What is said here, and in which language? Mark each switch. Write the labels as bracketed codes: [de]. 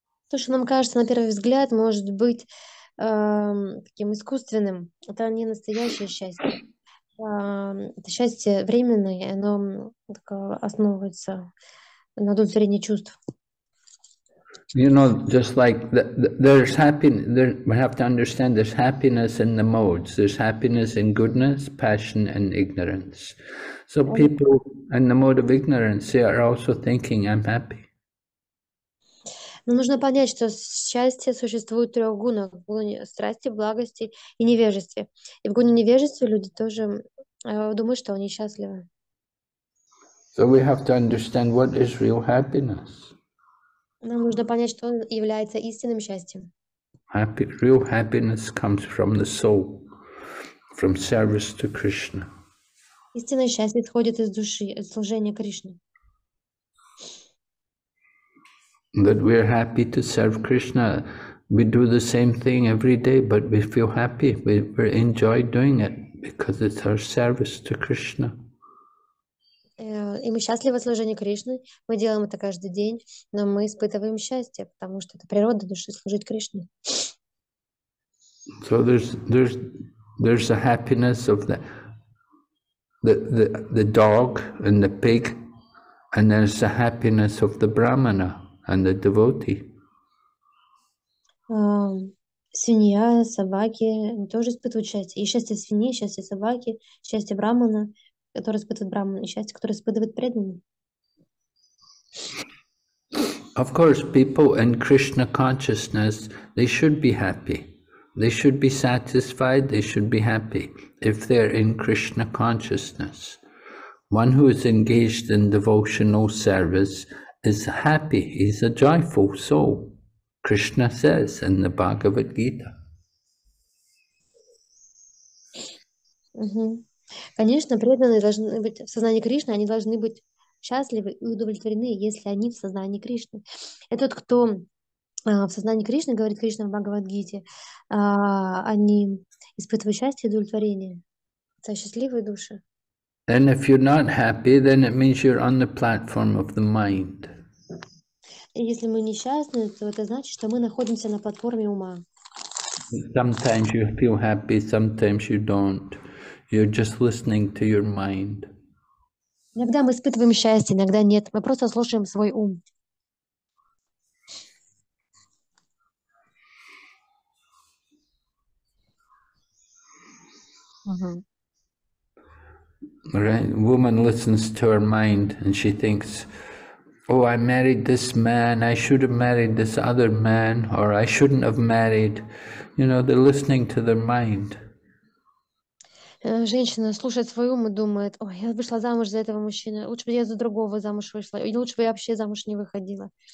[ru] То, что нам кажется на первый взгляд, может быть таким искусственным. Это не настоящее счастье. Это счастье временное, оно так, основывается на удовлетворении чувств. [en] You know, just like there's happiness, we have to understand there's happiness in the modes. There's happiness in goodness, passion and ignorance. So people in the mode of ignorance, they are also thinking, I'm happy. [ru] Но нужно понять, что счастье существует в трех гунах: в гуне страсти, благости и невежестве. И в гуне невежества люди тоже думают, что они счастливы. [en] So we have to understand what is real happiness. [ru] Нам нужно понять, что является истинным счастьем. [en] Happy, real happiness comes from the soul, from service to Krishna. [ru] Истинное счастье исходит из души, из служения Кришне. [en] That we are happy to serve Krishna. We do the same thing every day, but we feel happy. We enjoy doing it because it's our service to Krishna. [ru] И мы счастливы в служении Кришны. Мы делаем это каждый день, но мы испытываем счастье, потому что это природа души служить Кришне. [en] So there's the happiness of the dog and the pig, and there's the happiness of the Brahmana. And the devotee. [ru] Свинья, собаки, они тоже испытывают счастье. И счастье свиньи, и счастье собаки, счастье брахмана, которое испытывает брахман, и счастье, которое испытывает преданный. [en] Of course, people in Krishna consciousness, they should be happy. They should be satisfied, they should be happy if they're in Krishna consciousness. One who is engaged in devotional service is happy, he's a joyful soul, Krishna says in the Bhagavad Gita. [ru] Конечно, преданные должны быть в сознании Кришны, они должны быть счастливы и удовлетворены, если они в сознании Кришны. Это тот, кто в сознании Кришны, говорит Кришна в Бхагавад Гите, они испытывают счастье и удовлетворение. Это счастливые души. [en] And if you're not happy, then it means you're on the platform of the mind. [ru] Если мы несчастны, то это значит, что мы находимся на платформе ума. [en] Sometimes you feel happy, sometimes you don't. You're just listening to your mind. [ru] Иногда мы испытываем счастье, иногда нет. Мы просто слушаем свой ум. [en] Right? Woman listens to her mind and she thinks, oh, I married this man, I should have married this other man, or I shouldn't have married. You know, they're listening to their mind. [ru] Женщина слушает свой ум и думает, ой, я вышла замуж за этого мужчину, лучше бы я за другого замуж вышла, или лучше бы я вообще замуж не выходила.